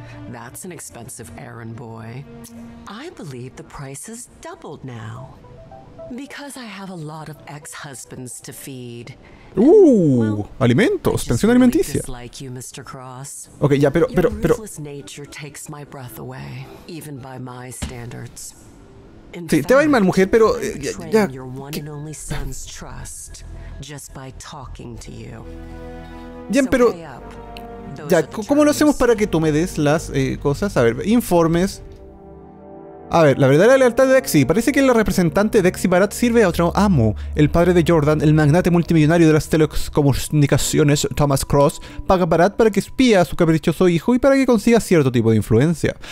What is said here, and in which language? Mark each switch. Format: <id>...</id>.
<en>That's an expensive errand boy. I believe the price has doubled now. Because I have a lot of ex-husbands to feed.</en> <es>Well, alimentos, pensión alimenticia.</es> <en>Like you, Mr. Cross.</en> <es>Okay, ya, pero</es> <en>your ruthless nature takes my breath away, even by my standards.</en> <es>Sí, te va a ir mal, mujer, pero ya.</es> <en>Your one and only son's trust just by talking to you.</en> <es>Bien, pero ya, ¿cómo lo hacemos para que tú me des las cosas? A ver, informes. A ver, la verdadera lealtad de Dexy. Parece que la representante Dexy Barat sirve a otro amo. El padre de Jordan, el magnate multimillonario de las telecomunicaciones, Thomas Cross, paga a Barat para que espía a su caprichoso hijo y para que consiga cierto tipo de influencia.</es>